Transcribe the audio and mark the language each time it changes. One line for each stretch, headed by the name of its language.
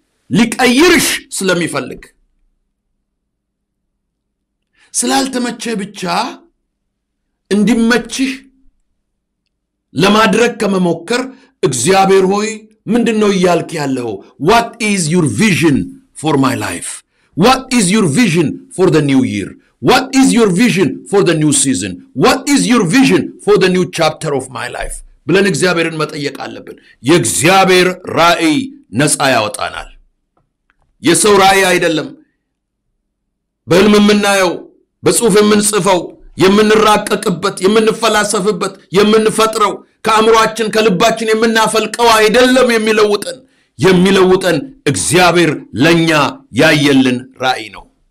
Amharic: ሊቀይርሽ ስለሚፈልግ። ስላልተመቸህ ብቻ እንዲመችህ ለማድረግ ከመሞከር እግዚአብሔር ሆይ ምንድነው ይያልክ ያለው?
English: What is your vision for my life? What is your vision for the new year? What is your vision for the new season? What is your vision for the new chapter of my life?
Amharic: ብለን እግዚአብሔርን መጠየቅ አለብን። የእግዚአብሔር ራእይ ነጻ ያወጣናል። የሰው ራእይ አይደለም። በልምም እናየው በጽሑፍም እንጽፈው የምንራቀቅበት የምንፈላሰፍበት የምንፈጥረው ከአምሯችን ከልባችን የምናፈልቀው አይደለም። የሚለውጠን እግዚአብሔር ለኛ ያየልን ራእይ ነው።